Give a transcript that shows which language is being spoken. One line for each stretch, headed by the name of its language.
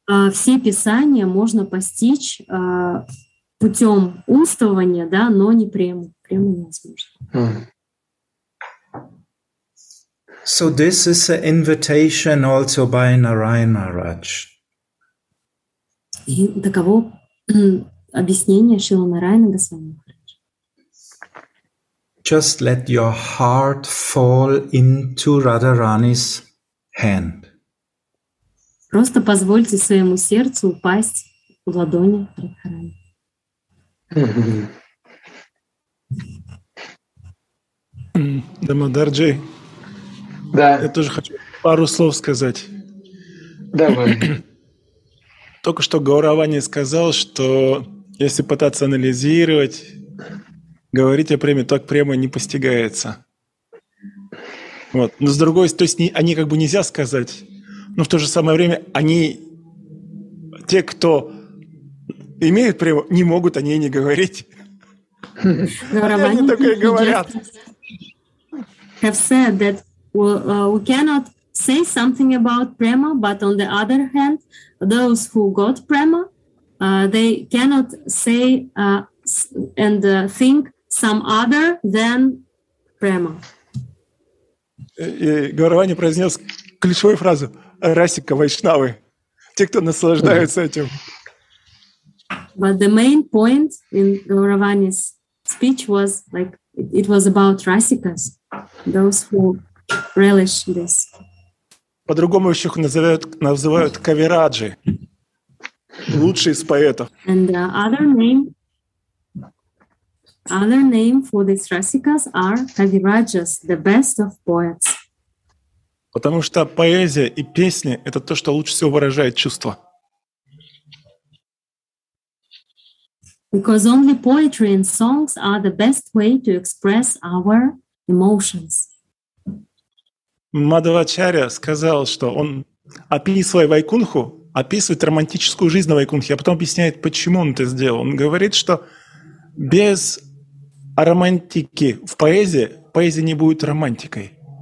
Russian: Все писания можно постичь путем умствования, да, но не прему. Прему невозможно.
English: So this is an invitation also by Narayana Maharaj.
Russian: И таково объяснение Шрилы Нараяны Госвами.
English: Just let your heart fall into Radharani's hand.
Russian: Просто позвольте своему сердцу упасть в ладони Радхарани. Дамодар Джей. Да. Я тоже хочу пару слов сказать. Давай. Только что Гауравани сказал, что если пытаться анализировать, говорить о преме, так према не постигается. Вот. Но с другой стороны, то есть они как бы нельзя сказать. Но в то же самое время они, те, кто имеют прему, не могут о ней не говорить. Они только и говорят.
English: Have said that we cannot say something about prema, but on the other hand, those who got prema, they cannot say and think some other than prema.
Russian: И Гауравани произнес ключевую фразу: расика вайшнавы, те, кто наслаждаются этим.
English: But the main point in Гауравани's speech was like it was about rasikas, those who relish this.
Russian: По-другому еще их называют кавираджи, лучшие из поэтов.
English: And the other name for these rasikas are kavirajas, the best of poets.
Russian: Потому что поэзия и песни — это то, что лучше всего выражает чувства.
English: Because only poetry and songs are the best way to express our emotions.
Russian: Мадхавачарья сказал, что он, описывая Вайкунху, описывает романтическую жизнь на Вайкунхе, а потом объясняет, почему он это сделал. Он говорит, что без романтики в поэзии, поэзия не будет романтикой.